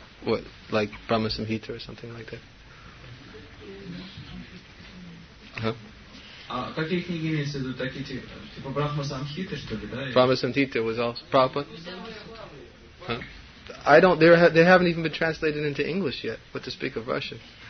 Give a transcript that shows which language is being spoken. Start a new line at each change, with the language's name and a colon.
English: What, like Brahma Samhita or something like that?
Russian: Какие книги имеются в виду? Такие типа Брахма Самхита, что ли, да?
English: Брахма Самхита was also Prabhupada. Huh? I don't. They haven't even been translated into English yet, but to speak of Russian.